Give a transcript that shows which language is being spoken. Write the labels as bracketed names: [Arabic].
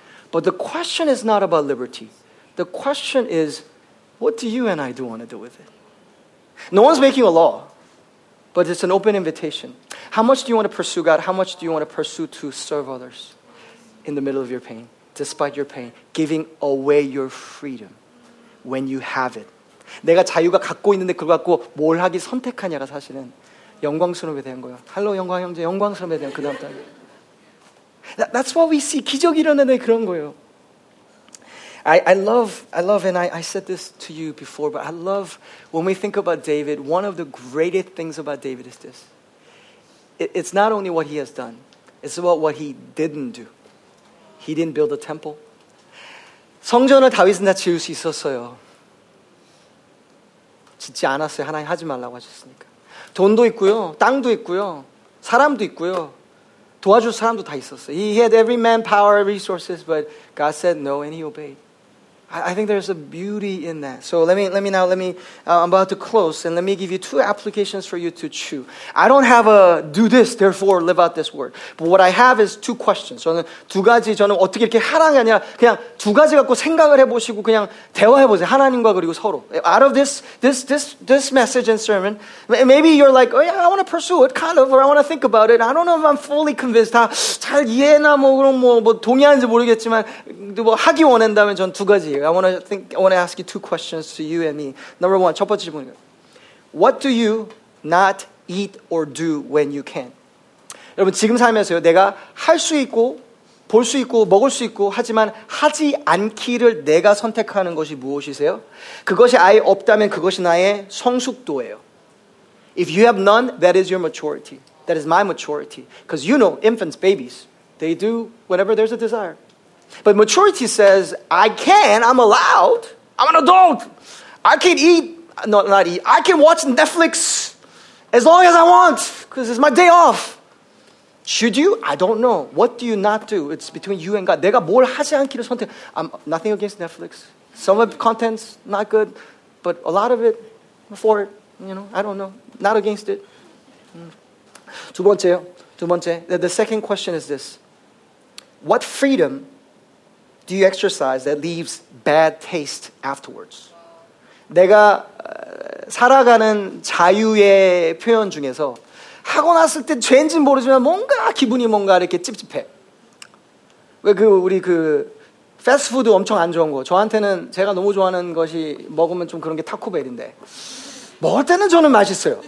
[English] But the question is not about liberty. The question is, what do you and I do want to do with it? No one's making a law, but it's an open invitation. How much do you want to pursue God? How much do you want to pursue to serve others in the middle of your pain, despite your pain, giving away your freedom when you have it? [Korean] 내가 자유가 갖고 있는데 그걸 갖고 뭘 하기 선택하냐가 사실은 영광스러움에 대한 거야. 할로 영광 형제, 영광스러움에 대한 그 다음 단계. [English] That's what we see. [Korean] 기적이 일어나는 그런 거예요. [English] I love, and I said this to you before, but I love when we think about David, one of the greatest things about David is this. It's not only what he has done. It's about what he didn't do. He didn't build a temple. [Korean] 성전을 다윗은 다 지을 수 있었어요. 짓지 않았어요. 하나님 하지 말라고 하셨으니까. 돈도 있고요. 땅도 있고요. 사람도 있고요. 도와줄 사람도 다 있었어요. [English] He had every man power, resources, but God said no, and he obeyed. I think there's a beauty in that. So I'm about to close, and let me give you two applications for you to chew. I don't have a do this, therefore live out this word. But what I have is two questions. [Korean] 저는 두 가지, 저는 어떻게 이렇게 하라는 게 아니라 그냥 두 가지 갖고 생각을 해보시고 그냥 대화해보세요. 하나님과 그리고 서로. [English] Out of this message and sermon, maybe you're like, oh yeah, I want to pursue it, kind of, or I want to think about it. I don't know if I'm fully convinced. [Korean] 다 잘 이해나 뭐 동의하는지 모르겠지만 뭐 하기 원한다면 전 두 가지. [English] I want to ask you two questions to you and me. Number one, [Korean] 첫 번째 질문. [English] What do you not eat or do when you can? [Korean] 여러분, 지금 살면서요, 내가 할 수 있고 볼 수 있고 먹을 수 있고 하지만 하지 않기를 내가 선택하는 것이 무엇이세요? 그것이 아예 없다면 그것이 나의 성숙도예요. [English] If you have none, that is your maturity. That is my maturity. Because you know, infants, babies, they do whatever there's a desire. But maturity says, I can, I'm allowed. I'm an adult. I can eat, not eat. I can watch Netflix as long as I want because it's my day off. Should you? I don't know. What do you not do? It's between you and God. [Korean] 내가 뭘 하지 않기를 선택. [English] I'm nothing against Netflix. Some of the content's not good, but a lot of it, for it, you know, I don't know. Not against it. [Korean] 두 번째요. 두 번째. [English] The second question is this. What freedom do you exercise that leaves bad taste afterwards? [Korean] 내가 살아가는 자유의 표현 중에서 하고 났을 때 죄인지 모르지만 뭔가 기분이 뭔가 이렇게 찝찝해. 왜 그 우리 그 패스트푸드 엄청 안 좋은 거. 저한테는 제가 너무 좋아하는 것이 먹으면 좀 그런 게 타코벨인데 먹을 때는 저는 맛있어요.